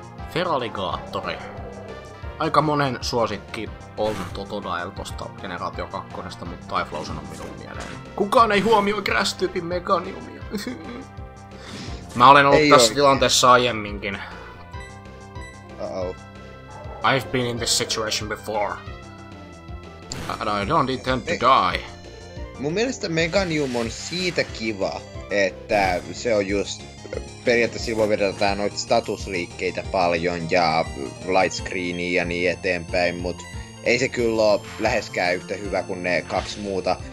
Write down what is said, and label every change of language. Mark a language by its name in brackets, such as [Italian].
[Finnish] Feraligatori. Aika monen suosikki on Totodile tosta Generaatio 2, mutta Typhlosion on minun mieleen. Kukaan ei huomioi Grass-tyypin mekaniumia. Mä olen ollut ei tässä oikein tilanteessa aiemminkin. [English] I've been in this situation before. And I don't intend to die. [Finnish] Mun mielestä Meganium on siitä kiva, että se on just periaatteessa silloin vedetään noita statusliikkeitä paljon ja lightscreenia ja niin eteenpäin, mut ei se kyllä ole läheskään yhtä hyvä kuin ne kaksi muuta.